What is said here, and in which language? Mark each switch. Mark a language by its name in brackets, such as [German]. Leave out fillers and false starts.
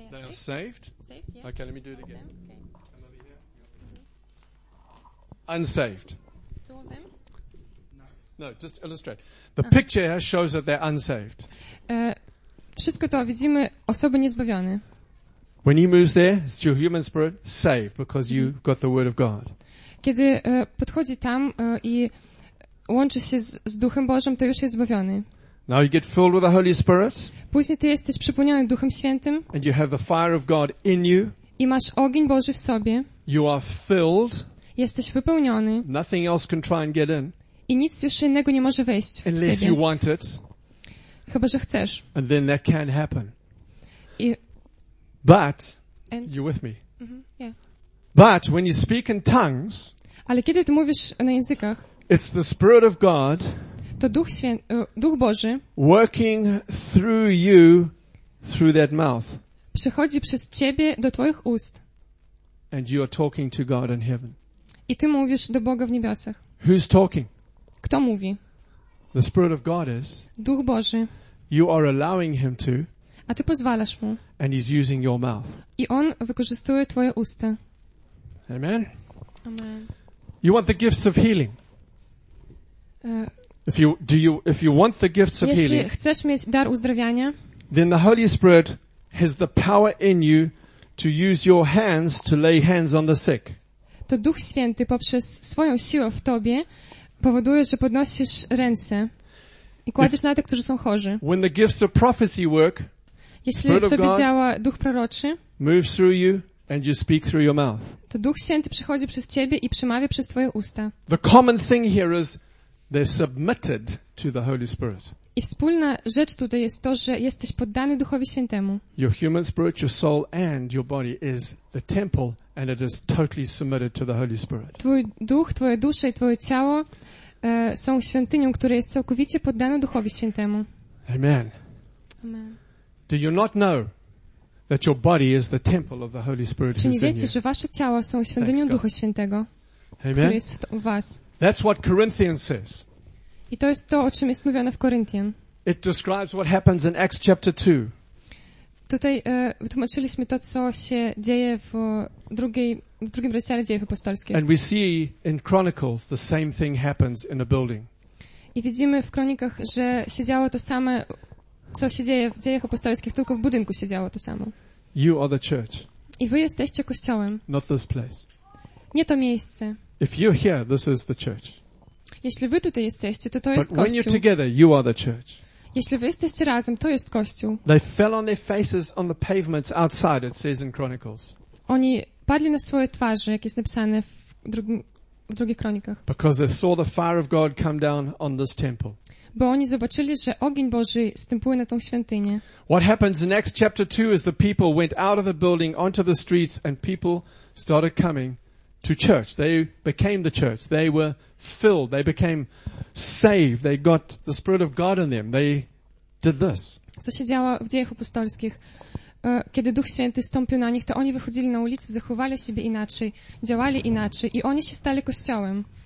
[English] Saved? Yeah. Okay, let me do it again. Okay. Unsaved. Two of them? No, just illustrate. The picture here shows that they're unsaved. [Polish] Wszystko to widzimy osoby niezbawione. [English] When he moves there, it's your human spirit saved because you've got the word of God. [Polish] Kiedy podchodzi tam i łączy się z Duchem Bożym, to już jest zbawiony. [English] Now you get filled with the Holy Spirit. [Polish] Później ty jesteś przepełniony Duchem Świętym. [English] And you have the fire of God in you. [Polish] I masz ogień Boży w sobie. [English] You are filled. [Polish] Jesteś wypełniony. [English] Nothing else can try and get in. [Polish] I nic już innego nie może wejść w ciebie. [English] Unless you want it. [Polish] Chyba że chcesz. [English] And then that can happen. [Polish] I... [English] But you're with me. Mm-hmm, yeah. But when you speak in tongues. [Polish] Ale kiedy ty mówisz na językach. [English] It's the Spirit of God. [Polish] To Duch Boży [English] working through you through that mouth. [Polish] Przechodzi przez ciebie do twoich ust. [English] And you are talking to God in heaven. [Polish] I ty mówisz do Boga w niebiosach. [English] Who's talking? [Polish] Kto mówi? [English] The Spirit of God is. [Polish] Duch Boży. [English] You are allowing him to. [Polish] a ty pozwalasz mu. [English] And he's using your mouth. [Polish] I on wykorzystuje twoje usta. [English] Amen. Amen. You want the gifts of healing. If you want the gifts of healing. [Polish] Jeśli chcesz mieć dar uzdrawiania. [English] Then the Holy Spirit has the power in you to use your hands to lay hands on the sick. [Polish] To Duch Święty poprzez swoją siłę w tobie powoduje, że podnosisz ręce i kładziesz na tych, którzy są chorzy. [English] When the gifts of prophecy work, [Polish] jeśli w tobie działa Duch Proroczy, [English] moves through you and you speak through your mouth. [Polish] To Duch Święty przychodzi przez ciebie i przemawia przez twoje usta. [English] The common thing here is they're submitted to the Holy Spirit. [Polish] I wspólna rzecz tutaj jest to, że jesteś poddany Duchowi Świętemu. [English] Your human spirit, your soul and your body is the temple and it is totally submitted to the Holy Spirit. [Polish] Twój duch, twoja dusza i twoje ciało są świątynią, która jest całkowicie poddana Duchowi Świętemu. [English] Amen. Amen. Do you not know that your body is the temple of the Holy Spirit? [Polish] Czy nie wiecie, że wasze ciała są świątynią Ducha Świętego, [English] Amen. [Polish] Który jest w was? [English] That's what Corinthians says. [Polish] I to jest to, o czym jest mówione w Koryntian. [English] It describes what happens in Acts chapter 2. [Polish] Tutaj wytłumaczyliśmy to, co się dzieje w drugim rozdziale Dziejów Apostolskich. [English] And we see in Chronicles the same thing happens in a building. [Polish] I widzimy w Kronikach, że się działo to samo, co się dzieje w Dziejach Apostolskich, tylko w budynku się działo to samo. [English] You are the church. [Polish] I wy jesteście kościołem. [English] Not this place. [Polish] Nie to miejsce. [English] If you're here, this is the church. [Polish] Jeśli wy tutaj jesteście, to jest Kościół. [English] When you're together, you are the church. [Polish] Jeśli wy jesteście razem, to jest Kościół. [English] They fell on their faces on the pavements outside, it says in Chronicles. [Polish] Oni padli na swoje twarze, jak jest napisane w drugich Kronikach. [English] Because they saw the fire of God come down on this temple. [Polish] Bo oni zobaczyli, że ogień Boży stępuje na tą świątynię. [English] What happens in Acts chapter 2 is the people went out of the building onto the streets and people started coming to church. They became the church. They were filled. They became saved. They got the Spirit of God in them. They did this. [Polish] Co się działo w Dziejach Apostolskich? Kiedy Duch Święty stąpił na nich, to oni wychodzili na ulicy, zachowali siebie inaczej, działali inaczej i oni się stali Kościołem.